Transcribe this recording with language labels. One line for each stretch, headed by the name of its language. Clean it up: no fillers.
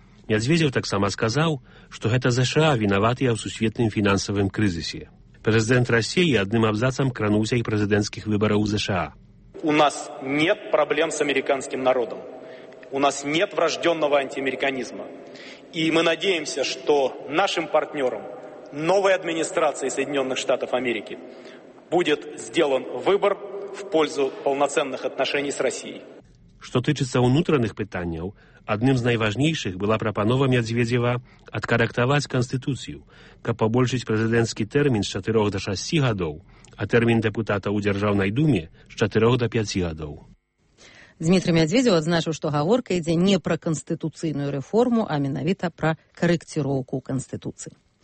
Belarusian: Мядзведзеў таксама сказаў, што гэта ЗША вінаватыя ў сусветным фінансавым крызісе. Прэзідэнт Расіі адным абзацам крануўся і прэзідэнцкіх выбараў ЗША.
Russian: У нас нет праблем с американским народом. У нас нет врождённого антиамериканизма. И мы надеемся, что нашим партнёрам, новой администрации Соединённых Штатов Америки, будет сделан выбор в пользу полноценных отношений с Россией.
Belarusian: Што тычыцца ўнутраных пытанняў, адным з найважнейшых была прапанова Мядзведзева адкарактаваць канстытуцыю, каб пабольшыць прэзідэнцкі тэрмін з 4 да 6 гадоў, а тэрмін дэпутата ў дзяржаўнай думе з 4 да 5 гадоў. Дмітрый Мядзведзеў адзначыў, што гаворка ідзе не пра канстытуцыйную рэформу, а менавіта пра карэкціроўку канстытуцыі.